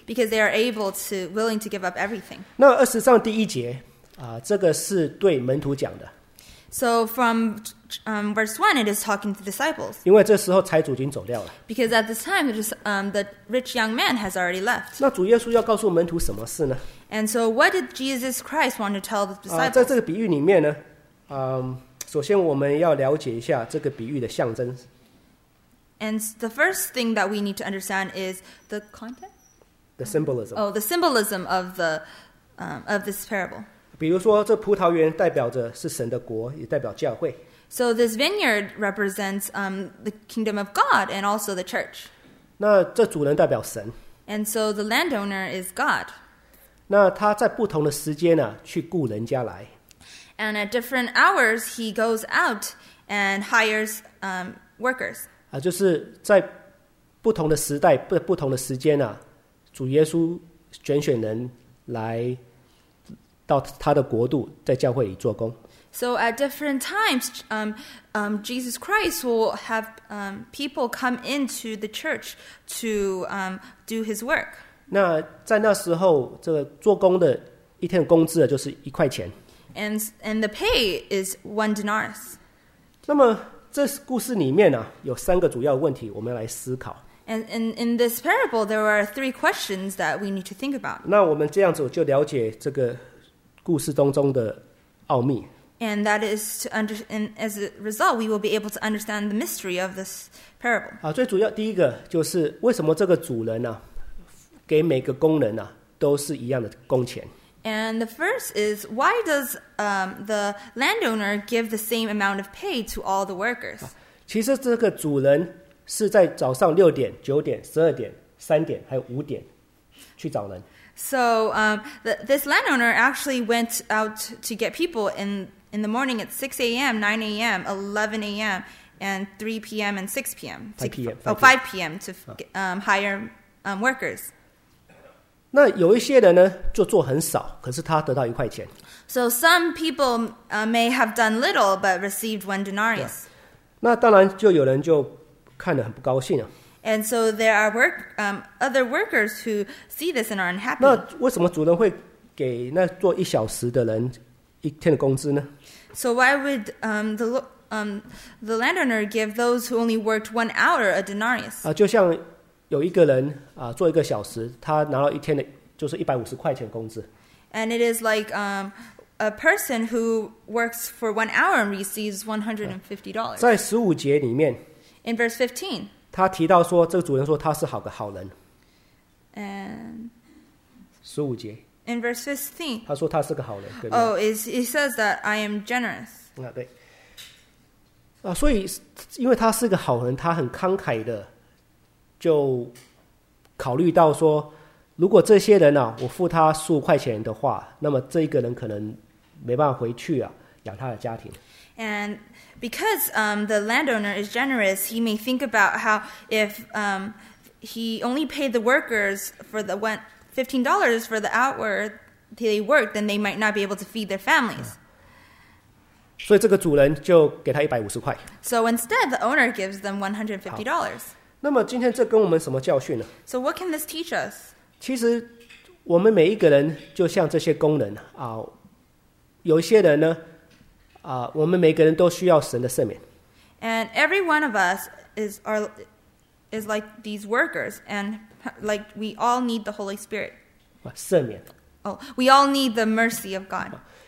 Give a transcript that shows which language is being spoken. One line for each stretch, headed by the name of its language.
English: Because they are able to, willing to give up everything.
Chinese: 那二十章第一节、这个是对门徒讲的。
English: So from verse 1, it is talking to disciples.
Chinese: 因为这时候财主已经走掉了。
English: Because at this time, the rich young man has already left.
Chinese: 那主耶稣要告诉门徒什么事呢？
English: And so what did Jesus Christ want to tell the disciples?
Chinese: 在这个比喻里面呢、首先我们要了解一下这个比喻的象征。
English: And the first thing that we need to understand is the content? The symbolism. Oh, the symbolism of this parable.
Chinese: 比如说这葡萄园代表着是神的国，也代表教会。
English: So this vineyard represents the kingdom of God and also the church.
Chinese: 那这主人代表神。
English: And so the landowner is God.
Chinese: 那他在不同的时间、啊、去雇人家来。
English: And at different hours he goes out and hires workers.
Chinese: 就是在不同的时代不同的时间、啊、主耶稣拣选人来到他的国度，在教会里做工。
English: So at different times, Jesus Christ will have people come into the church to do his work.
Chinese: 那在那时候，这个做工的一天的工资就是一块钱。
English: And the pay is one denarius.
Chinese: 那么这故事里面呢、啊，有三个主要问题，我们要来思考。
English: And in this parable, there are three questions that we need to think about.
Chinese: 那我们这样子就了解这个。故事当中的奥秘。
English: And that is to as a result, we will be able to understand the mystery of this parable.
Chinese: 最主要第一个就是为什么这个主人呢、啊，给每个工人呢、啊、都是一样的工钱。
English: And the first is why does the landowner give the same amount of pay to all the workers?
Chinese: 其实这个主人是在早上六点、九点、十二点、三点还有五点去找人。
English: So this landowner actually went out to get people in the morning at 6 a.m., 9 a.m., 11 a.m., and 3 p.m. and 6 p.m. 5 p.m. to hire workers.
Chinese: 那有一些人呢，就做很少，可是他得到一块钱。
English: So some people may have done little but received one denarius.
Chinese: 那当然就有人就看得很不高兴啊。
English: And so there are other workers who see this and are unhappy.
Chinese: 那为什么主人会给那做一小时的人一天的工资呢？
English: So why would the landowner give those who only worked 1 hour a denarius?
Chinese: 就像有一个人做一个小时，他拿到一天的就是150块钱工资。
English: And it is like a person who works for 1 hour and receives $150.
Chinese: 在十五节里面
English: ，In verse 15.
Chinese: 他提到说，这个主人说他是好个好人。
English: And
Chinese: 十五节。
English: In verse 15.
Chinese: 他说他是个好人。
English: Oh, he says that I am generous.
Chinese: 啊，对。啊，所以因为他是个好人，他很慷慨的，就考虑到说，如果这些人呢、啊，我付他十五块钱的话，那么这一个人可能没办法回去啊，养他的家庭。
English: And because the landowner is generous, he may think about how if he only paid the workers for the $15 for the hour they worked, then they might not be able to feed their families.
Chinese: 所以这个主人就给他150块。
English: So instead, the owner gives them $150.
Chinese: 那么今天这跟我们什么教训呢？
English: So what can this teach us?
Chinese: 其实我们每一个人就像这些工人啊，有一些人呢我们每个人都需要神的赦免。
English: And every one of us is like these workers, and like we all need the Holy Spirit.
Chinese: 赦免。
English: Oh, we all need the mercy of God.